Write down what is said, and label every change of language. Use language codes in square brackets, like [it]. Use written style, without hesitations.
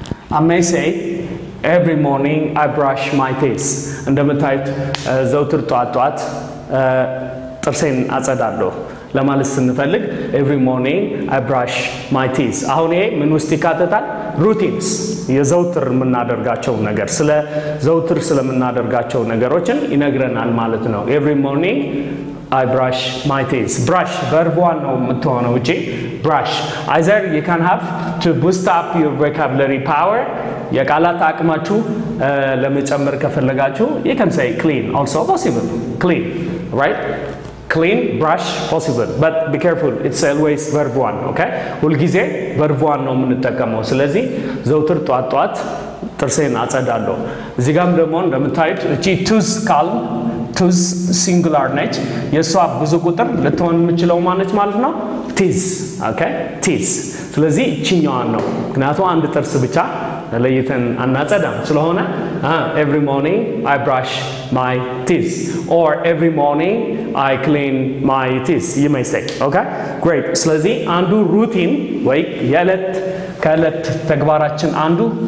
[en] I may say every morning I brush my teeth. [am] እንደምታዩት ዘውትር ጧጧት ጥርሴን አጸዳለሁ ለማለት ስንፈልግ [en] every morning I brush my teeth. [am] አሁን ይሄ ምን ውስጥ ይካተታል? Routines. የዘውትር የምናደርጋቸው ነገር ስለ ዘውትር ስለምናደርጋቸው ነገሮችን ይነግረናል ማለት ነው. [en] Every morning I brush my teeth. Brush verb one [am] ነው የምትሆነው እጪ [en] brush. Either you can have to boost up your vocabulary power. [am] የቃላት አቅማችሁ ለመጨመር ከፈለጋችሁ [en] you can say clean also possible. Clean, right? Clean, brush, possible. But be careful, it's always verb one, okay? [am] ሁልጊዜ verb one ነው የምንጠቀመው ስለዚህ ዘውትር ጧት ጧት ጥርሴን አጸዳለሁ እዚህ ጋም ደግሞ እንደምታዩት እቺ ቱዝ ካል ቱዝ ሲንግላር ነች የእሷ ብዙ ቁጥር ልትሆን የምችለው ማነች ማለት ነው? [en] ቲዝ okay? [am] ቲዝ ስለዚህ እችኛዋን ነው ምክንያቱም አንድ ጥርስ ብቻ ለይተን አናጸዳም ስለሆነ [en] every morning I brush my teeth or every morning I clean my teeth you may say okay great [am] ስለዚህ አንዱ ሩቲን ወይ የለት ከለት ተግባራችን አንዱ